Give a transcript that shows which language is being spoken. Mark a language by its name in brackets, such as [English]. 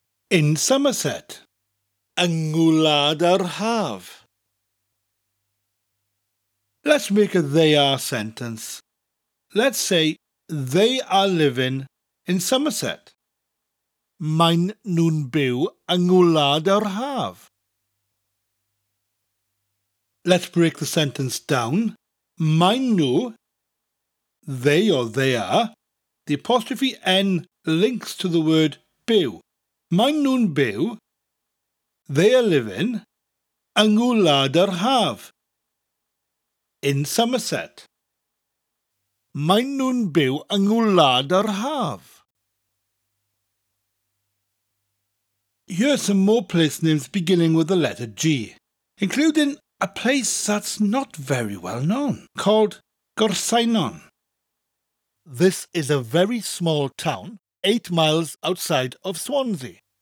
[English] In Somerset. Gwlad yr Haf. Let's make a they are sentence. Let's say they are living in Somerset. [Welsh] Maen nhw'n byw yng Ngwlad yr Haf. [English] Let's break the sentence down. [Welsh] Maen nhw, [English] they or they are, the apostrophe N links to the word byw, [Welsh] Maen nhw'n byw, [English] they are living, [Welsh] yng ngwlad yr haf, [English] in Somerset. [Welsh] Maen nhw'n byw yng ngwlad yr haf. [English] Here are some more place names beginning with the letter G, including a place that's not very well known, called Gorsainon. This is a very small town, 8 miles outside of Swansea.